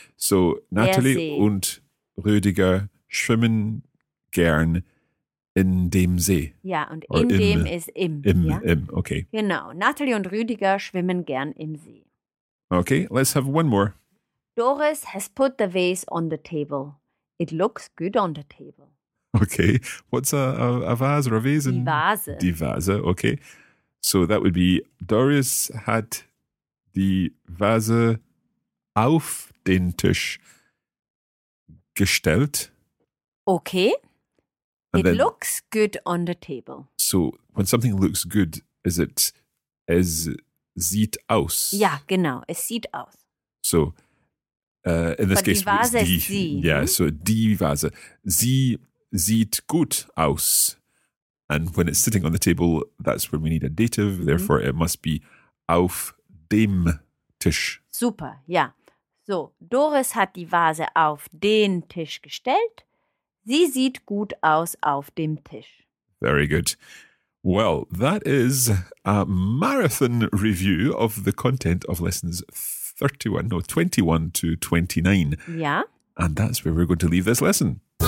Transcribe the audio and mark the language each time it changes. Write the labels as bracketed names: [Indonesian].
[German] So Natalie und Rüdiger schwimmen gern in dem See. Ja, und in dem ist im. Im, [English] okay. [German] Genau. Natalie und Rüdiger schwimmen gern im See. [English] Okay, let's have one more. Doris has put the vase on the table. It looks good on the table. Okay, what's a vase or a vase? [German] Die Vase. Die Vase, [English] okay. So that would be [German] Doris hat die Vase auf den Tisch gestellt. [English] Okay. And it then, looks good on the table. So when something looks good, is it, [German] es sieht aus? [English] Yeah, [German] genau. Es sieht aus. [English] So in this case, [German] die Vase [English] it's [German] die. Sie. [English] Yeah, mm-hmm. [German] So die Vase. Sie sieht gut aus. [English] And when it's sitting on the table, that's when we need a dative. Therefore, mm-hmm. it must be [German] auf dem Tisch. [English] Super, yeah. [German] So, Doris hat die Vase auf den Tisch gestellt. Sie sieht gut aus auf dem Tisch. [English] Very good. Well, that is a marathon review of the content of lessons 21 to 29. Yeah. And that's where we're going to leave this lesson.